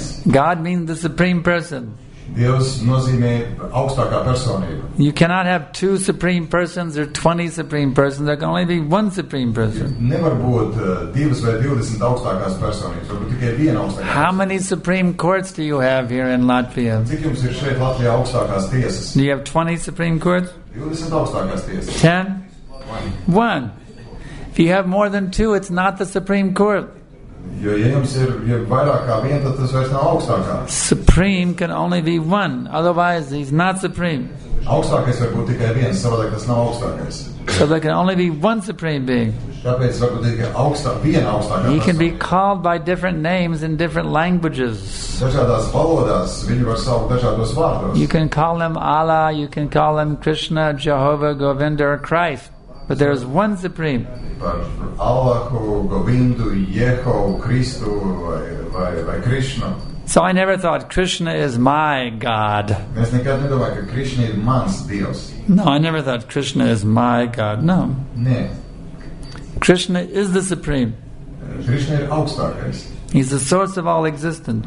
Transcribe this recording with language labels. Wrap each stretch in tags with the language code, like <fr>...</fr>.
<en>God means the supreme person.</en> <lv>Dievs nozīmē augstākā personība.</lv> <en>You cannot have two supreme persons or 20 supreme persons. There can only be one supreme person.</en> <lv>Nevar būt divas vai 20 augstākās personības, varbūt tikai viena augstākā.</lv> <en>How many supreme courts do you have here in Latvia?</en> <lv>Cik jums ir šeit Latvijā augstākās tiesas?</lv> <en>Do you have 20 supreme courts?</en> <lv>20 augstākās tiesas.</lv> <en>10? 20. One. If you have more than two, it's not the supreme court.</en> <lv>Jo, ja jums ir vairāk kā vien, tad tas vairs nav augstākā.</lv> <en>Supreme can only be one, otherwise he's not supreme.</en> <lv>Augstākais var būt tikai viens, savādāk tas nav augstākais.</lv> <en>So there can only be one supreme being.</en> <lv>Tāpēc var būt tikai viena augstākā.</lv> <en>He can be called by different names in different languages.</en> <lv>Dažādās valodās, viņi var saukt dažādos vārdos.</lv> <en>You can call them Allah, you can call them Krishna, Jehovah, Govinda or Christ. But there is one supreme.</en> <lv>Allahu, Govindu, Jehovu, Kristu vai Krishna.</lv> <en>So I never thought Krishna is my God.</en> <lv>Es nekad nedomāju, ka Krishna ir mans Dievs.</lv> <en>No, I never thought Krishna is my God. No.</en> <lv>Nē.</lv> <en>Krishna is the supreme.</en> <lv>Krishna ir augstākais.</lv> <en>He's the source of all existence.</en>